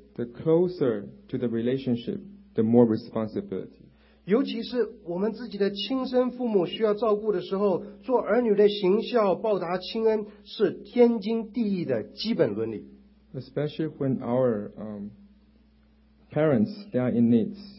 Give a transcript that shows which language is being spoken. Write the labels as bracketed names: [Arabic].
[English] The closer to the relationship, the more responsibility. [Chinese] 尤其是我们自己的亲生父母需要照顾的时候，做儿女的行孝、报答亲恩是天经地义的基本伦理。 [English] Especially when our parents, they are in needs.